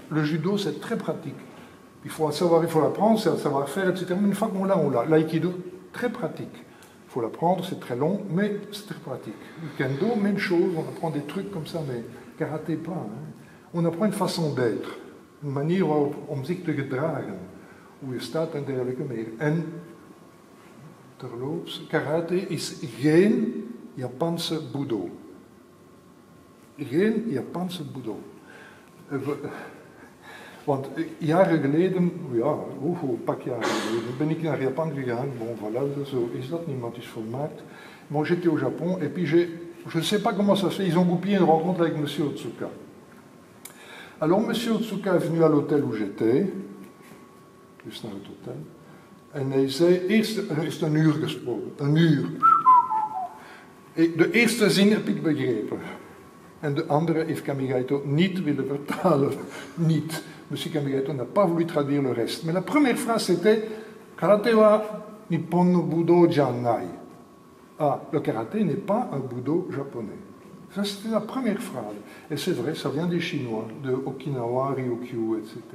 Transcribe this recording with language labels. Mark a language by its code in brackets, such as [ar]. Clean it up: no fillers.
[fr] Le judo, c'est très pratique. Il faut l'apprendre, c'est un savoir-faire, etc. Mais une fois qu'on l'a, on l'a. L'aïkido, très pratique. Il faut l'apprendre, c'est très long, mais c'est très pratique. Le kendo, même chose, on apprend des trucs comme ça, mais karaté, pas. Hein. On apprend une façon d'être. [nl] Een manier waarop om zich te gedragen, hoe je staat en dergelijke meer. En terloops, karate is geen Japanse budo. Geen Japanse budo. Want jaren geleden, ja, een pak jaren geleden, ben ik naar Japan gegaan. [fr] Bon, voilà, [nl] zo is dat, niemand is volmaakt. [fr] Maar j'étais au Japon, et puis je sais pas comment ça se fait, ils ont goupillé une rencontre avec monsieur Otsuka. Alors, M. Otsuka est venu à l'hôtel où j'étais, juste dans l'hôtel, [nl] En hij zei, eerst een uur gesproken, een uur. De eerste zin heb ik begrepen. En de andere heeft Camigaito niet willen vertalen. Niet. [fr] Monsieur Camigaito n'a pas voulu traduire le reste. Maar de première phrase c'était [ja] Karate wa Nippon no Budo janai. [fr] Ah, le karaté n'est pas un Budo japonais. Ça, c'était la première phrase. Et c'est vrai, ça vient des Chinois, de Okinawa, Ryukyu, etc.